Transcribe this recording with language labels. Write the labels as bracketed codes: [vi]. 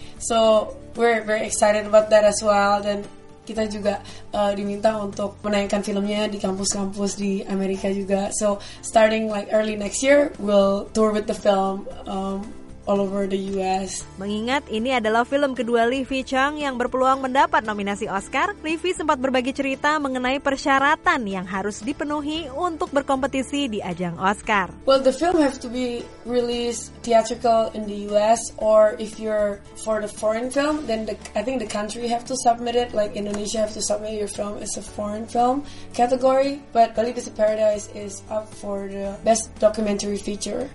[en] So, we're very excited about that as well. [id] Dan kita juga diminta untuk menayangkan filmnya di kampus-kampus di Amerika juga. [en] So, starting like early next year, we'll tour with the film all over the US. [id] Mengingat ini adalah film kedua Lee Fi Cheng yang berpeluang mendapat nominasi Oscar, Lee Fi sempat berbagi cerita mengenai persyaratan yang harus dipenuhi untuk berkompetisi di ajang Oscar. [en] Well, the film have to be released theatrical in the US, or if you're for the foreign film, then I think the country have to submit it, like Indonesia have to submit your film as a foreign film category, but Bali Beats of Paradise is up for the best documentary feature.